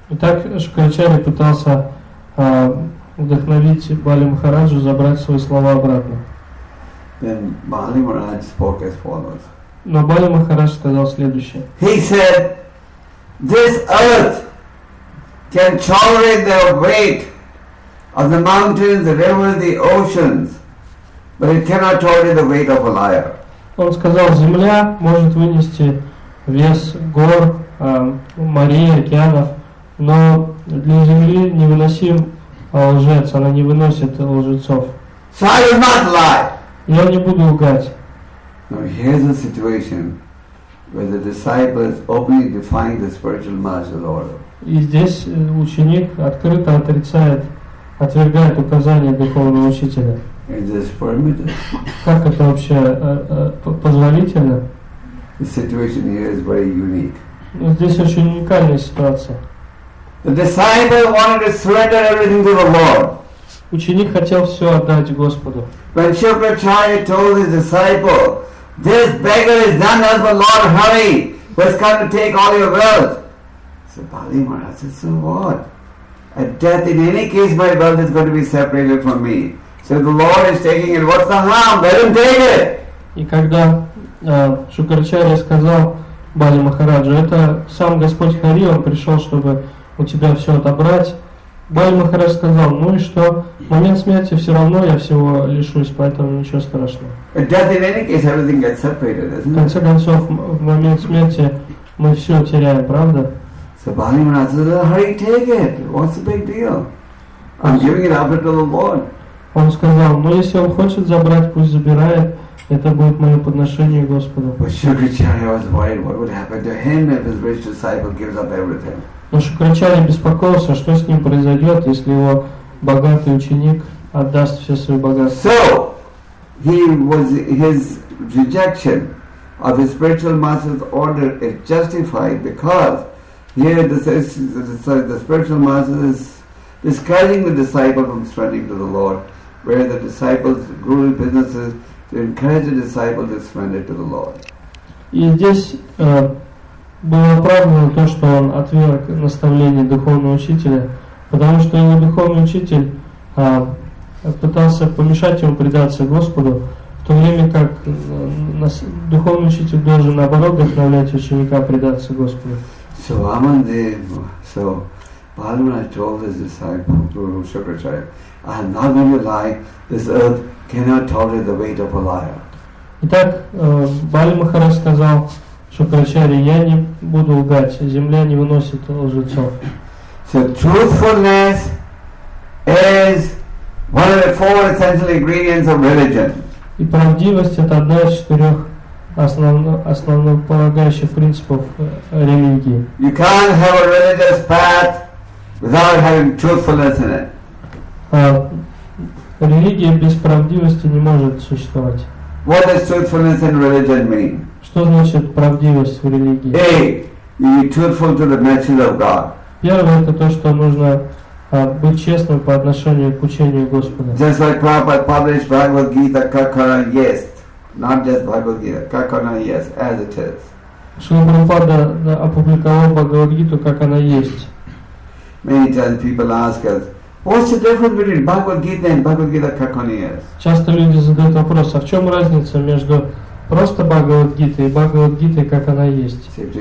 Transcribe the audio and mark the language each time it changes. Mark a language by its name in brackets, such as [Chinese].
[Russian] Итак, Шукрачарья пытался вдохновить Бали Махараджу забрать свои слова обратно. [English] Then Bali Maharaj spoke as follows. [Russian] Но Бали Махарадж сказал следующее. [English] He said, this earth can tolerate the weight of the mountains, the rivers, the oceans, but it cannot tolerate the weight of a liar. [Russian] Он сказал, земля может вынести вес гор, морей, океанов, но для земли невыносим лжец, она не выносит лжецов. [English] So I will not lie. [Russian] Я не буду лгать. [English] Now here's a situation where the disciple is openly defying the spiritual master's order. [Russian] И здесь ученик открыто отрицает, отвергает указания духовного учителя. [English] Is this permitted? [Russian] Как это вообще позволительно? [English] The situation here is very unique. [Russian] Здесь очень уникальная ситуация. [English] The disciple wanted to surrender everything to the Lord. [Russian] Ученик хотел все отдать Господу. [English] When Shukracharya told his disciple, this beggar is none other than Lord Hari, who has come to take all your wealth. So Bali Maharaj said, so what? At death, in any case, my wealth is going to be separated from me. So the Lord is taking it. What's the harm? Let him take it. [Russian] И когда Шукрачарья сказал Бали Махараджу, это сам Господь Хари, он пришел, чтобы у тебя все отобрать. Бали Махарадж сказал, ну и что? В момент смерти все равно я всего лишусь, поэтому ничего страшного. В конце концов, в момент смерти мы все теряем, правда? [English] So Bali Maharaj said, hurry, take it. What's the big deal? I'm giving it up to the Lord. [Russian] Он сказал, ну если он хочет забрать, пусть забирает. Это будет мое подношение Господу. [English] But Shukracharya was worried, what would happen to him if his rich disciple gives up everything? [Russian] Но Шукрачарья беспокоился, что с ним произойдет, если его богатый ученик отдаст все свои богатства. [English] So, he was, his rejection of his spiritual master's order is justified because here the spiritual master is discouraging the disciple from surrendering to the Lord, where the disciple's guru business is to encourage the disciple to surrender to the Lord. [Russian] И здесь было оправдано то, что он отверг наставление духовного учителя, потому что не духовный учитель пытался помешать ему предаться Господу, в то время как духовный учитель должен наоборот вдохновлять ученика предаться Господу. [English] So Vamandev, so Bali Maharaj told his disciple Guru Shukracharya, I am not going to lie, this earth cannot tolerate the weight of a liar. [Russian] Итак, Бали Махарадж сказал Шукрачарья, я не буду лгать, земля не выносит лжецов. [English] So truthfulness is one of the four essential ingredients of religion. [Russian] И правдивость это одна из четырех основных полагающих принципов религии. [English] You can't have a religious path without having truthfulness in it. [Russian] Религия без правдивости не может существовать. [English] What does truthfulness in religion mean? [Russian] Что значит правдивость в религии? [English] A, you be truthful to the message of God. [Russian] Первое, это то, что нужно быть честным по отношению к учению Господа. [English] Just like Prabhupada published Bhagavad Gita, Kakana, yes. Not just Bhagavad Gita, Kakana, yes, as it is. [Russian] Шрила Прабхупада опубликовал Бхагавад Гиту, как она есть. [English] Many times people ask us, what's the difference between Bhagavad Gita and Bhagavad Gita, Kakana, yes? [Russian] Часто люди задают вопрос, а в чем разница между просто Бхагавад-гита и Бхагавад-гита, как она есть.